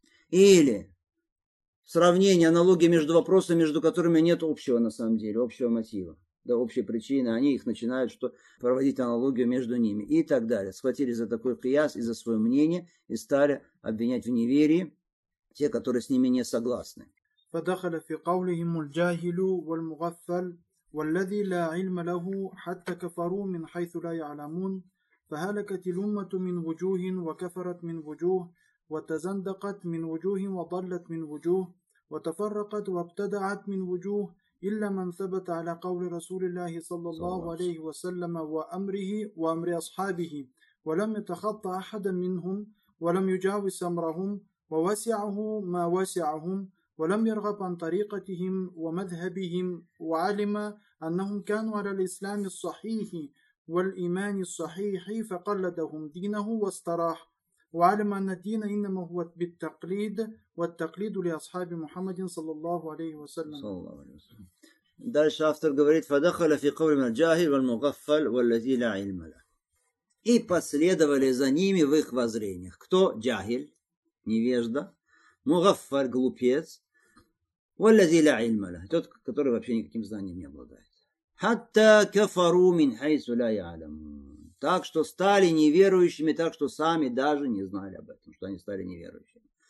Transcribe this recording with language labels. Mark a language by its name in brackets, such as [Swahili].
[Russian] Или сравнение аналогии между вопросами, между которыми нет общего на самом деле, общего мотива, да, общей причины. Они их начинают что, проводить аналогию между ними и так далее. Схватили за такой кияс и за свое мнение и стали обвинять в неверии те, которые с ними не согласны. [Arabic] فدخل في قولهم الجاهل والمغفل والذي لا علم له حتى كفروا من حيث لا يعلمون فهلكت الأمة من وجوه وكفرت من وجوه وتزندقت من وجوه وضلت من وجوه وتفرقت وابتدعت من وجوه إلا من ثبت على قول رسول الله صلى الله عليه وسلم وأمره وأمر أصحابه ولم يتخطى أحدا منهم ولم يجاوز أمرهم ووسعه ما وسعهم ولم يرغب عن طريقتهم ومذهبهم وعلم أنهم كانوا على الإسلام الصحيح والإيمان الصحيح فقلدهم دينه واستراح وعلم أن الدين إنما هو بالتقليد والتقليد لأصحاب محمد صلى الله عليه وسلم. دارش أفتر [Russian] говорит [Arabic] فدخل في قول من الجاهل والمغفل والذي لا علم له. [Russian] И последовали за ними в их воззрениях. Кто جاهل, невежда, مغفل, глупец. [Arabic] والذي لا علم له, [Russian] тот, который вообще никаким знанием не обладает. [Arabic] Хатта кафару мин хайсу ля ялам. [Russian] Так что стали неверующими, так что сами даже не знали об этом, что они стали неверующими.